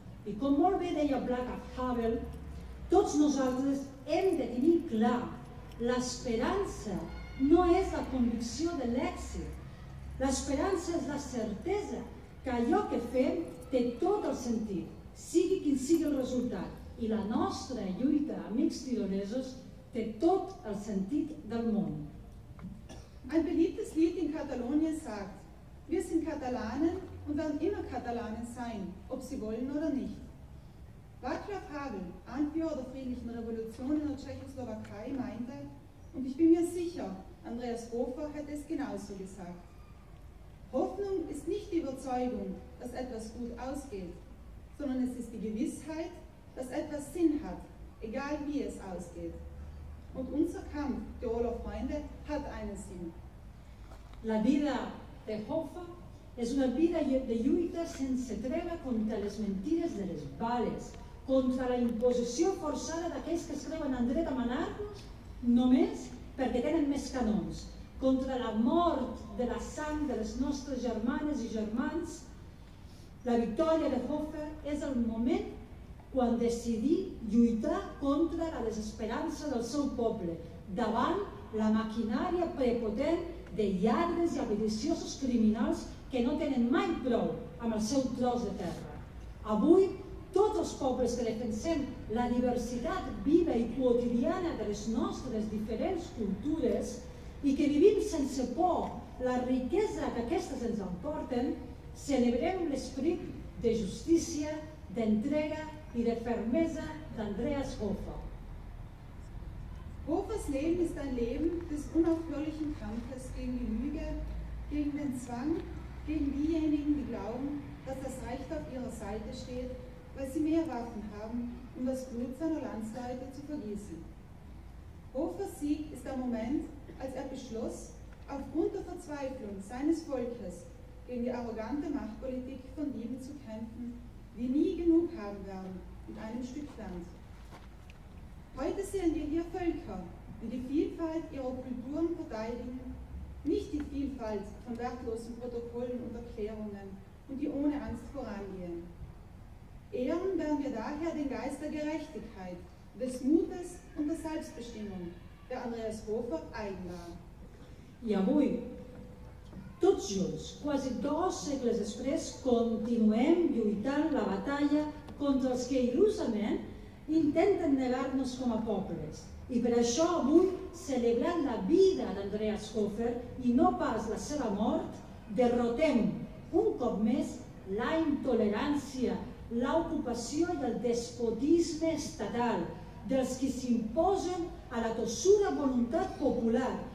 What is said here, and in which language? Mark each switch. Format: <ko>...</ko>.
<ca>I com molt bé deia Václav Havel, tots nosaltres hem de tenir clar, l'esperança no és la convicció de l'èxit, l'esperança és la certesa que allò que fem té tot el sentit, sigui quin sigui el resultat, i la nostra lluita, amics tiroresos, té tot el sentit del món.</ca> <de>Ein beliebtes Lied in Katalonien sagt, wir sind Katalanen und werden immer Katalanen sein, ob sie wollen oder nicht. Václav Havel, Anführer der friedlichen Revolution in der Tschechoslowakei, meinte, und ich bin mir sicher, Andreas Hofer hätte es genauso gesagt, Hoffnung ist nicht die Überzeugung, dass etwas gut ausgeht, sondern es ist die Gewissheit, dass etwas Sinn hat, egal wie es ausgeht. Und unser Kampf, die Tiroler Freunde, hat einen Sinn.</de> <ca>La vida de Hofer és una vida de lluita sense treva contra les mentides de les bales, contra la imposició forçada d'aquells que es creuen en dret a manar-nos només perquè tenen més canons, contra la mort de la sang de les nostres germanes i germans. La victòria de Hofer és el moment quan decidí lluitar contra la desesperança del seu poble, davant la maquinària prepotent de lladres i avariciosos criminals que no tenen mai prou amb el seu tros de terra. Avui, tots els pobles que defensem la diversitat viva i quotidiana de les nostres diferents cultures i que vivim sense por la riquesa que aquestes ens emporten, celebrem l'esperit de justícia, d'entrega i de fermesa d'Andreas Hofer.</ca> <de>Hofers Leben ist ein Leben des unaufhörlichen Kampfes gegen die Lüge, gegen den Zwang, gegen diejenigen, die glauben, dass das Recht auf ihrer Seite steht, weil sie mehr Waffen haben, um das Blut seiner Landsleute zu vergießen. Hofers Sieg ist der Moment, als er beschloss, aufgrund der Verzweiflung seines Volkes gegen die arrogante Machtpolitik von Lieben zu kämpfen, die nie genug haben werden mit einem Stück Land. Heute sehen wir hier Völker, die die Vielfalt ihrer Kulturen verteidigen, nicht die Vielfalt von wertlosen Protokollen und Erklärungen und die ohne Angst vorangehen. Ehren werden wir daher den Geist der Gerechtigkeit, des Mutes und der Selbstbestimmung, der Andreas Hofer eigen war. Jawohl.</de> <ca>Tots junts, quasi dos segles després, continuem lluitant la batalla contra els que il·lusament intenten negar-nos com a pobles. I per això avui, celebrant la vida d'Andreas Hofer i no pas la seva mort, derrotem un cop més la intolerància, l'ocupació i el despotisme estatal dels que s'imposen a la tossuda voluntat popular.</ca>